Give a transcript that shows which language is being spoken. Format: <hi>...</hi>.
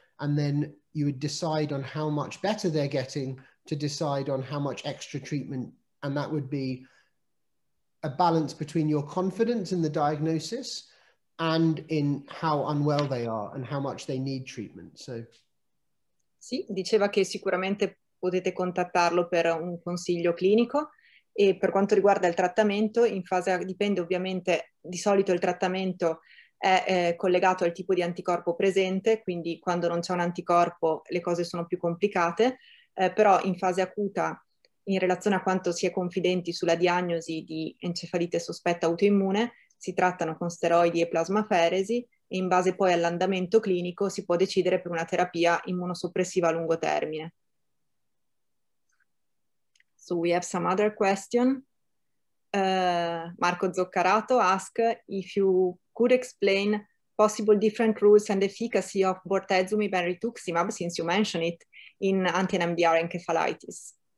<en>And then you would decide on how much better they're getting to decide on how much extra treatment. And that would be a balance between your confidence in the diagnosis and in how unwell they are and how much they need treatment. So,</en> <it>sì, diceva che sicuramente potete contattarlo per un consiglio clinico. E per quanto riguarda il trattamento, in fase dipende ovviamente, di solito il trattamento è collegato al tipo di anticorpo presente, quindi quando non c'è un anticorpo le cose sono più complicate, però in fase acuta, in relazione a quanto si è confidenti sulla diagnosi di encefalite sospetta autoimmune, si trattano con steroidi e plasmaferesi, e in base poi all'andamento clinico si può decidere per una terapia immunosoppressiva a lungo termine.</it> <en>So we have some other question. Marco Zoccarato asks if you could explain possible different rules and efficacy of bortezomib and rituximab, since you mentioned it, in anti-NMDR encephalitis.</en>